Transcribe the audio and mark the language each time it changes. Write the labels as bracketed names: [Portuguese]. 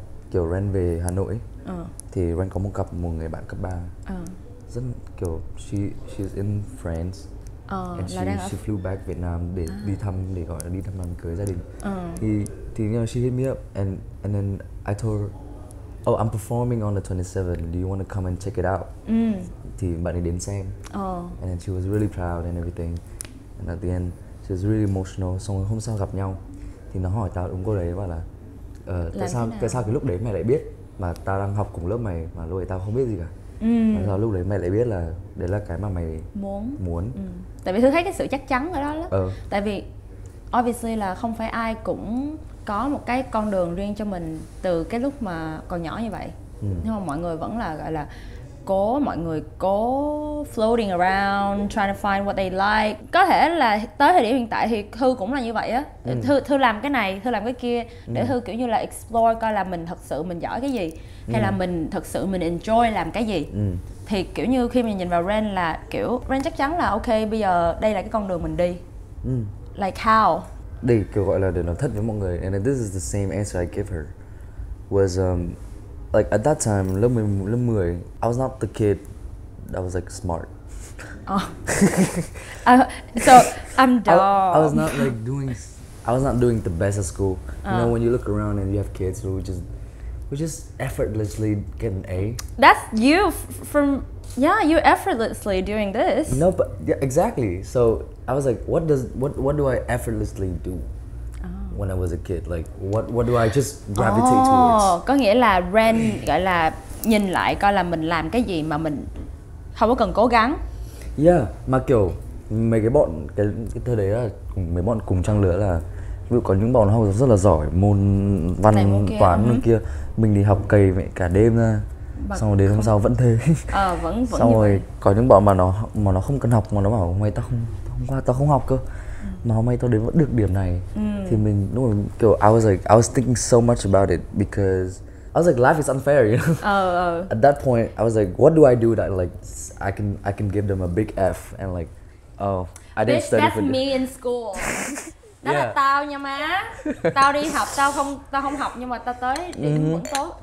[Vietnamese] Kiểu Ren về Hà Nội thì Ren có một cặp một người bạn cấp 3. Rất kiểu [English] she's in France. And she flew back [Vietnamese] Việt Nam để đi thăm, để gọi là đi thăm đám cưới gia đình. Thì [English] you know, she hit me up and then I told her, oh, I'm performing on the 27th. Do you want to come and check it out? [Vietnamese] Thì bạn ấy đến xem. [English] And then she was really proud and everything. And at the end she was really emotional. [Vietnamese] Xong rồi hôm sau gặp nhau thì nó hỏi tao đúng cô đấy và là tại sao cái lúc đấy mày lại biết mà tao đang học cùng lớp mày mà lúc đấy tao không biết gì cả. Sao lúc đấy mày lại biết là đấy là cái mà mày muốn. Ừ. Tại vì thứ thấy cái sự chắc chắn ở đó lắm. Ừ. Tại vì obviously là không phải ai cũng có một cái con đường riêng cho mình từ cái lúc mà còn nhỏ như vậy. Ừ. Nhưng mà mọi người vẫn là gọi là mọi người cố [English] floating around trying to find what they like. [Vietnamese] Có thể là tới thời điểm hiện tại thì Thư cũng là như vậy á. Thư làm cái này, Thư làm cái kia để Thư kiểu như là explore coi là mình thật sự mình giỏi cái gì hay là mình thật sự mình enjoy làm cái gì. Thì kiểu như khi mình nhìn vào Ren là kiểu Ren chắc chắn là ok, bây giờ đây là cái con đường mình đi. [English] Like how? [Vietnamese] Để kiểu gọi là để nói thật với mọi người, [English] and this is the same answer I give her was like at that time, lớp 10, I was not the kid that was like smart. I'm dumb. I was not like doing. I was not doing the best at school. You know, when you look around and you have kids who just effortlessly get an A. That's you from yeah. You're effortlessly doing this. No, but yeah, exactly. So I was like, what do I effortlessly do? When I was a kid, like what do I just gravitate towards? [Vietnamese] Có nghĩa là Ren gọi là nhìn lại coi là mình làm cái gì mà mình không có cần cố gắng. Yeah, mà kiểu mấy cái bọn cái thời đấy là mấy bọn cùng trang lứa là ví dụ có những bọn học rất là giỏi môn văn này, môn toán môn kia, mình thì học cày mẹ cả đêm ra, xong rồi đến hôm sau vẫn thế. Vẫn vẫn. Xong rồi có những bọn mà nó không cần học mà nó bảo hôm nay tao không học cơ. Mà hôm nay tôi đến vẫn được điểm này. Thì mình đúng rồi, kiểu [English] I was thinking so much about it because I was like life is unfair, you know. At that point I was like what do I do that like I can give them a big F and like oh I didn't study for me in school. [Vietnamese] Đó yeah. là tao nha má. Tao đi học tao không học nhưng mà tao tới điểm vẫn tốt.